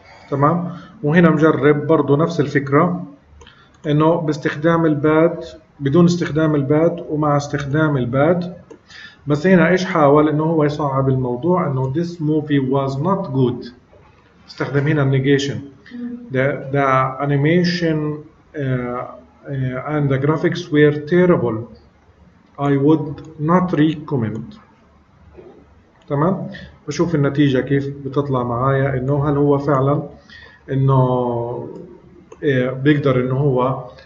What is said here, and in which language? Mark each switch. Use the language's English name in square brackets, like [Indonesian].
[Arabic] تمام، وهنا مجرب برضو نفس الفكرة انه باستخدام الباد، بدون استخدام الباد ومع استخدام الباد، بس هنا ايش حاول انه هو يصعب الموضوع انه [English] this movie was not good، [Arabic] استخدم هنا النيجيشن. [English] The animation and the graphics were terrible, I would not recommend. [Arabic] تمام، بشوف النتيجة كيف بتطلع معايا انه هل هو فعلا انه بيقدر انه هو